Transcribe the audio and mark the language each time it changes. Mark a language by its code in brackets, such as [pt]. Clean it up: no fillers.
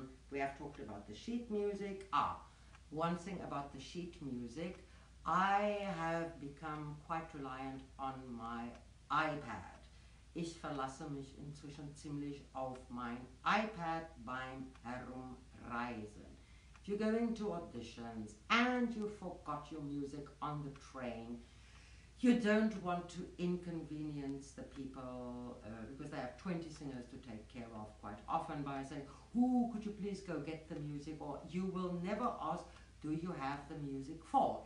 [en] We have talked about the sheet music. One thing about the sheet music, I have become quite reliant on my iPad. [de] Ich verlasse mich inzwischen ziemlich auf mein iPad beim Herumreisen. [en] If you go into auditions and you forgot your music on the train, you don't want to inconvenience the people because they have 20 singers to take care of quite often by saying, "Oh, could you please go get the music?" Or you will never ask, "Do you have the music for?"